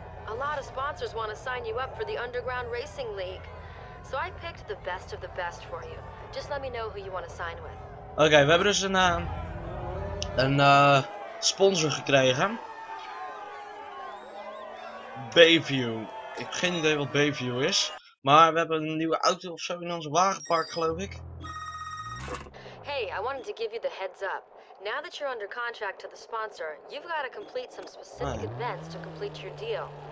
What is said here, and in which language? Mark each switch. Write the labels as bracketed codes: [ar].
[en] A lot of sponsors want to sign you up for the Underground Racing League. So I picked the best of the best for you. Just let me know who you want to sign with. [nl] Oké, we hebben dus een sponsor gekregen. Bayview. Ik heb geen idee wat Bayview is, maar we hebben een nieuwe auto of zo in ons wagenpark, geloof ik. [en] Hey, I wanted to give you the heads up. Now that you're under contract to the sponsor, you've got to complete some specific events to complete your deal.